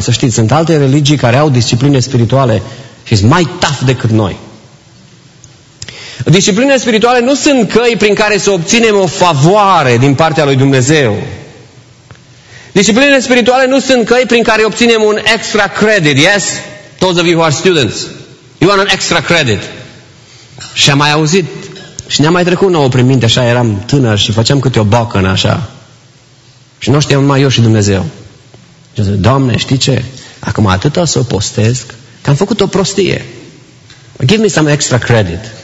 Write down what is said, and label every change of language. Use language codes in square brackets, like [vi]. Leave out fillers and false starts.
[ro] Să știți, sunt alte religii care au discipline spirituale și sunt mai tough decât noi. Disciplinele spirituale nu sunt căi prin care să obținem o favoare din partea lui Dumnezeu. Disciplinele spirituale nu sunt căi prin care obținem un extra credit, [en] yes? Those of you who are students, you want an extra credit. [ro] Și am mai auzit și ne-am mai trecut nouă prin minte, așa eram tânăr și făceam câte o bocă în așa. Și nu știam numai eu și Dumnezeu. Și zic, Doamne, știi ce? Acum atât o să o postez, că am făcut o prostie. [en] Give me some extra credit.